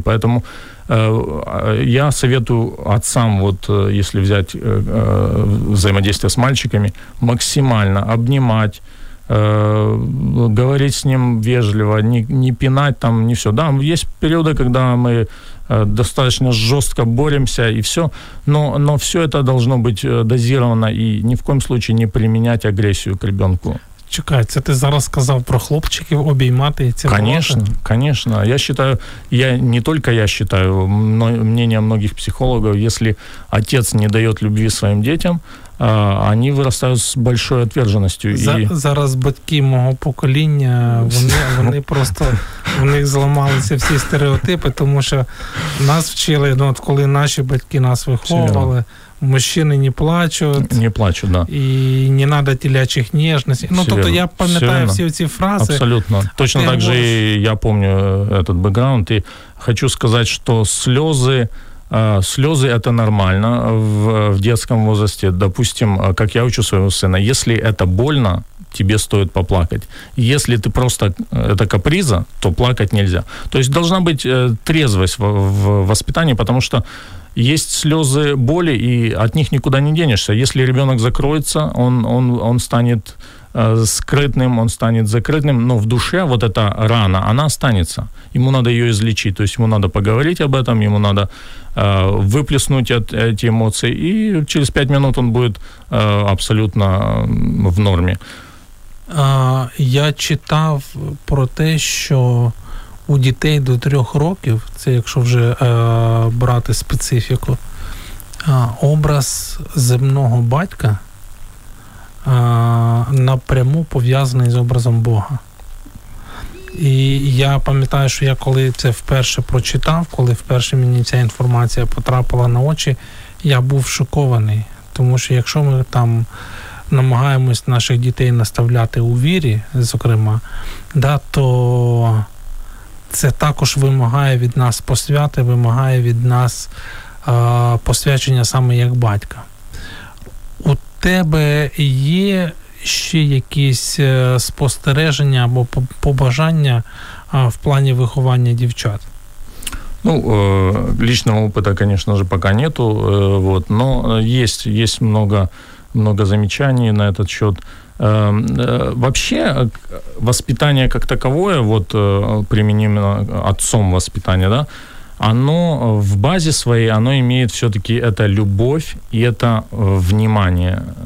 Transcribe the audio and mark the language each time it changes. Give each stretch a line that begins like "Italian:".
Russian: Поэтому я советую отцам, вот если взять взаимодействие с мальчиками, максимально обнимать, говорить с ним вежливо, не пинать там, не все. Да, есть периоды, когда мы достаточно жестко боремся и все, но все это должно быть дозировано и ни в коем случае не применять агрессию к ребенку.
Ukrainian: Чекай, це ти зараз сказав про хлопчиків обіймати і цілувати?
Russian: Конечно. Я считаю, я считаю, мнение многих психологов, если отец не дает любви своим детям, они вырастают с большой отверженностью.
Ukrainian: Зараз батьки мого покоління, вони просто, в них зламалися всі стереотипи, тому що нас вчили, ну от коли наші батьки нас виховували,
Russian: мужчины не плачут. Не плачут, да. И не надо телячьих нежностей. Ну, тут я помню все эти фразы. Абсолютно. Точно так же и я помню этот бэкграунд. И хочу сказать, что слезы это нормально в детском возрасте. Допустим, как я учу своего сына, если это больно, тебе стоит поплакать. Если ты просто... Это каприза, то плакать нельзя. То есть должна быть трезвость в воспитании, потому что есть слезы боли, и от них никуда не денешься. Если ребенок закроется, он станет скрытным, он станет закрытым, но в душе вот эта рана, она останется. Ему надо ее излечить, то есть ему надо поговорить об этом, ему надо выплеснуть эти эмоции, и через 5 минут он будет абсолютно в норме.
Ukrainian: Я читав про те, що у дітей до 3 років, це якщо вже брати специфіку, образ земного батька напряму пов'язаний з образом Бога. І я пам'ятаю, що я коли це вперше прочитав, коли вперше мені ця інформація потрапила на очі, я був шокований. Тому що якщо ми там намагаємось наших дітей наставляти у вірі, зокрема, да, то це також вимагає від нас посвяти, вимагає від нас посвячення саме як батька. У тебе є ще якісь спостереження або побажання в плані виховання дівчат?
Russian: Ну, личного опыта, конечно же, пока нету, вот, но есть много замечаний на этот счет. Вообще, воспитание как таковое, вот, применимо отцом воспитание, да, оно в базе своей, оно имеет все-таки это любовь и это внимание.